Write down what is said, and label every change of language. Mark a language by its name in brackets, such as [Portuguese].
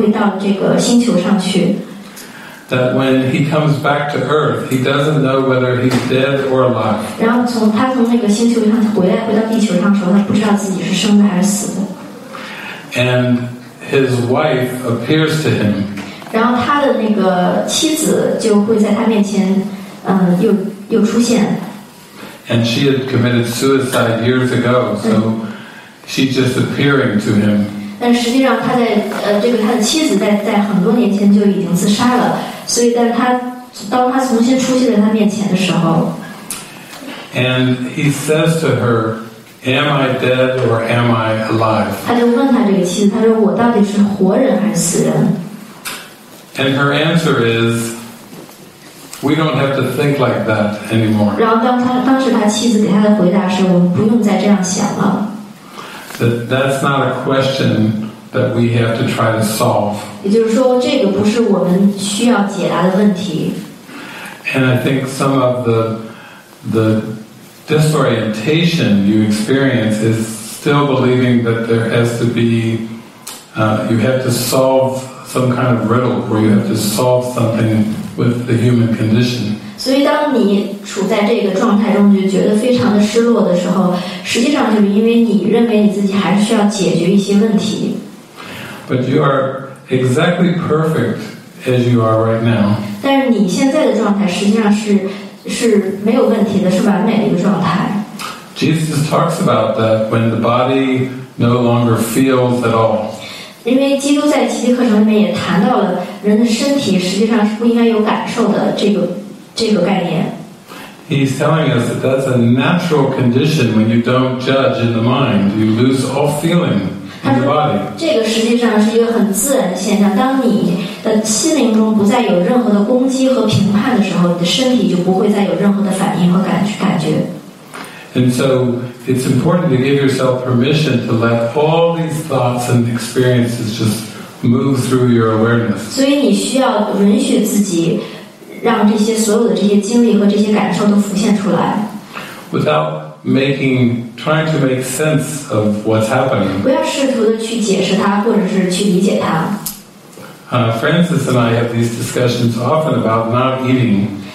[Chinese] 然后在这个电影里面，那个宇航员就会到这个星球上去。 [English] That when he comes back to Earth, he doesn't know whether he's dead or alive. [Chinese] 然后从他从那个星球上回来，回到地球上的时候，他不知道自己是生的还是死的。 [English] And his wife appears to him. [Chinese] 然后他的那个妻子就会在他面前，又出现。 [English] And she had committed suicide years ago, so she's just appearing to him. [Chinese] 但实际上他在这个他的妻子在很多年前就已经自杀了，所以但是他当他重新出现在他面前的时候。 [English] And he says to her, Am I dead or am I alive? [Chinese] 他就问他这个妻子，他说我到底是活人还是死人？ [English] And her answer is, We don't have to think like that anymore. [Chinese] 然后当时他妻子给他的回答是，我们不用再这样想了。 [English] That's not a question that we have to try to solve. [Chinese] 也就是说，这个不是我们需要解答的问题。 [English] And I think some of the disorientation you experience is still believing that there has to be, you have to solve some kind of riddle, where you have to solve something with the human condition. [Chinese] 所以当你处在这个状态中就觉得非常的失落的时候，实际上就是因为你认为你自己还是需要解决一些问题。 [English] But you are exactly perfect as you are right now. [Chinese] 但是你现在的状态实际上是没有问题的，是完美的一个状态。 [English] Jesus talks about that when the body no longer feels at all. [Chinese] 因为基督在奇迹课程里面也谈到了，人的身体实际上是不应该有感受的这个概念。 [English] He's telling us that that's a natural condition when you don't judge in the mind. You lose all feeling in the body. [Chinese] 这个实际上是一个很自然的现象。当你的心灵中不再有任何的攻击和评判的时候，你的身体就不会再有任何的反应和感觉。 [English] And so it's important to give yourself permission to let all these thoughts and experiences just move through your awareness. [Chinese] 所以你需要允许自己让这些所有的这些经历和这些感受都浮现出来。 [English] Without trying to make sense of what's happening. [Chinese] 不要试图的去解释它，或者是去理解它。 [English] Francis and I have these discussions often about not eating.